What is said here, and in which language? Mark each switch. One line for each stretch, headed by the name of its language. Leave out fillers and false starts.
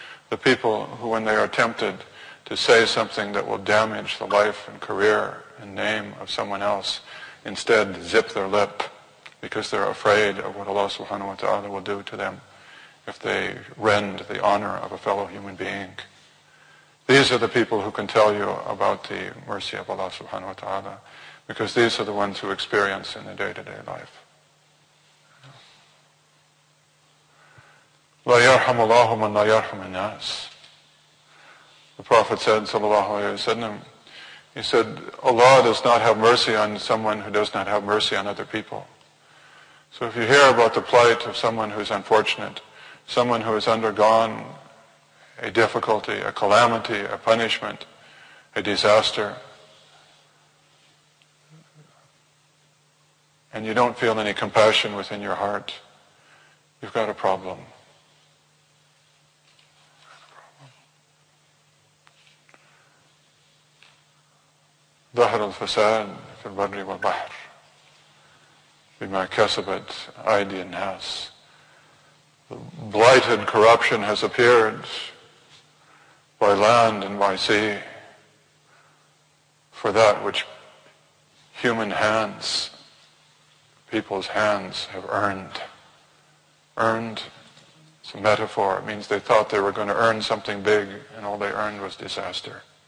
English: The people who, when they are tempted to say something that will damage the life and career and name of someone else, instead zip their lip because they're afraid of what Allah subhanahu wa ta'ala will do to them if they rend the honor of a fellow human being. These are the people who can tell you about the mercy of Allah subhanahu wa ta'ala, because these are the ones who experience in the day-to-day life.
Arabic: لا يرحم الله من لا يرحم الناس.
English: The Prophet said, sallallahu alayhi wa sallam, he said, Allah does not have mercy on someone who does not have mercy on other people. So if you hear about the plight of someone who is unfortunate, someone who has undergone a difficulty, a calamity, a punishment, a disaster, and you don't feel any compassion within your heart, you've got a problem.
Arabic: ظهر الفساد في البر والبحر بما كسبت أيدي الناس.
English: Blighted corruption has appeared by land and by sea for that which human hands, people's hands, have earned. Earned is a metaphor. It means they thought they were going to earn something big and all they earned was disaster.